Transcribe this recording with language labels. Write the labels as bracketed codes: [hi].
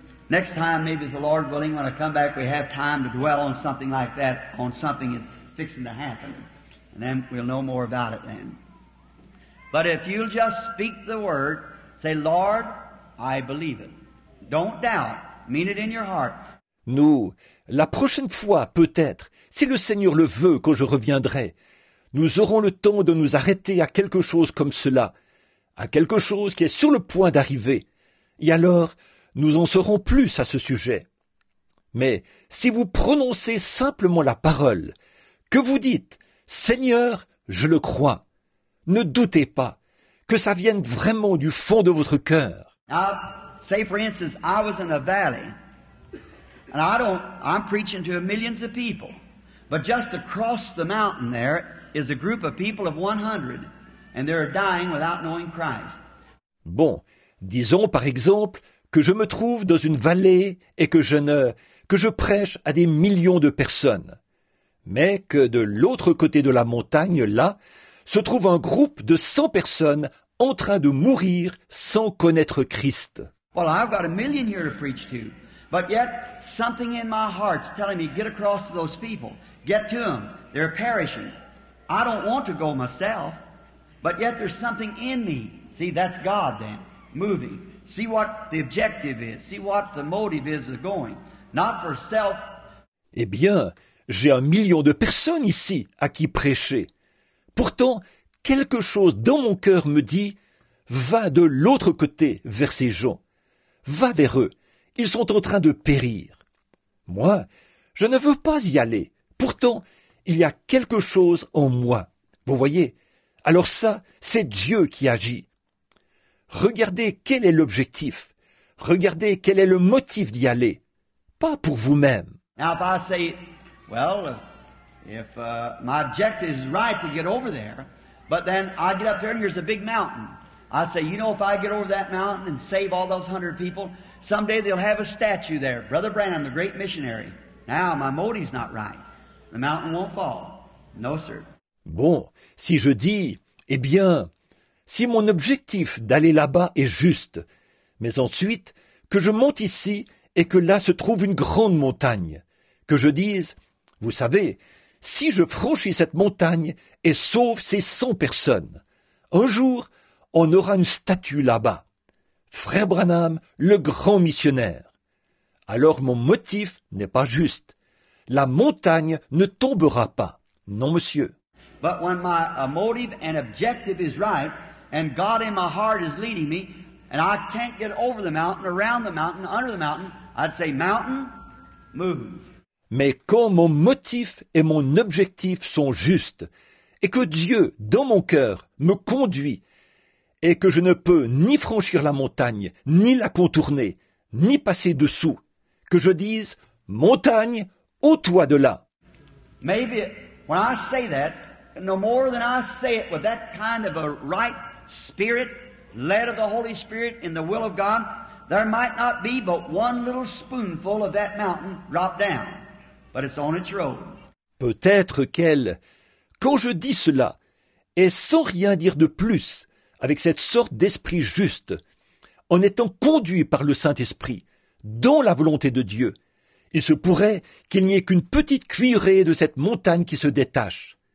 [en] Next time, maybe the Lord willing, when I come back, we have time to dwell on something like that, on something that's fixing to happen. And then we'll know more about it then. But if you'll just speak the word, say, Lord, I believe it. Don't doubt. Mean it in your heart. [fr] Nous, la prochaine fois, peut-être, si le Seigneur le veut, quand je reviendrai, nous aurons le temps de nous arrêter à quelque chose comme cela, à quelque chose qui est sur le point d'arriver. Et alors, nous en saurons plus à ce sujet. Mais si vous prononcez simplement la parole, que vous dites, Seigneur, je le crois. Ne doutez pas que ça vienne vraiment du fond de votre cœur. [en] Now, say for instance, I was in a valley, and I'm preaching to millions of people, but just across the mountain there is a group of people of 100, and they're dying without knowing Christ. [fr] Bon, disons par exemple que je me trouve dans une vallée et que je prêche à des millions de personnes, mais que de l'autre côté de la montagne, là, se trouve un groupe de 100 personnes en train de mourir sans connaître Christ. [en] Well, I've got a million here to preach to, but yet something in my heart's telling me get across to those people, get to them. They're perishing. I don't want to go myself, but yet there's something in me. See, that's God then, moving. See what the objective is. See what the motive is of going. Not for self. [fr] Eh bien, j'ai un million de personnes ici à qui prêcher. Pourtant, quelque chose dans mon cœur me dit, va de l'autre côté vers ces gens. Va vers eux. Ils sont en train de périr. Moi, je ne veux pas y aller. Pourtant, il y a quelque chose en moi. Vous voyez? Alors ça, c'est Dieu qui agit. Regardez quel est l'objectif. Regardez quel est le motif d'y aller. Pas pour vous-même. [en] Now, if I say, well, if my objective is right to get over there, but then I get up there and there's a big mountain. I say, you know, if I get over that mountain and save all those 100 people, someday they'll have a statue there. Brother Branham, the great missionary. Now, my motive's not right. The mountain won't fall. No, sir. [fr] Bon, si je dis, eh bien, si mon objectif d'aller là-bas est juste, mais ensuite que je monte ici et que là se trouve une grande montagne, que je dise, vous savez, si je franchis cette montagne et sauve ces 100 personnes, un jour, on aura une statue là-bas. Frère Branham, le grand missionnaire. Alors mon motif n'est pas juste. La montagne ne tombera pas. Non, monsieur. [en] But when my motive and objective is right, and God in my heart is leading me, and I can't get over the mountain, around the mountain, under the mountain, I'd say, mountain, move. [fr] Mais quand mon motif et mon objectif sont justes, et que Dieu, dans mon cœur, me conduit, et que je ne peux ni franchir la montagne, ni la contourner, ni passer dessous, que je dise, montagne, au toit de là. [en] Maybe, when I say that, no more than I say it with that kind of a right spirit, led of the Holy Spirit in the will of God, there might not be but one little spoonful of that mountain drop down. But it's on its road. [fr] Peut-être qu'elle, quand je dis cela, et sans rien dire de plus, avec cette sorte d'esprit juste, en étant conduit par le Saint-Esprit, dans la volonté de Dieu, il se pourrait qu'il n'y ait qu'une petite cuillerée de cette montagne qui se détache.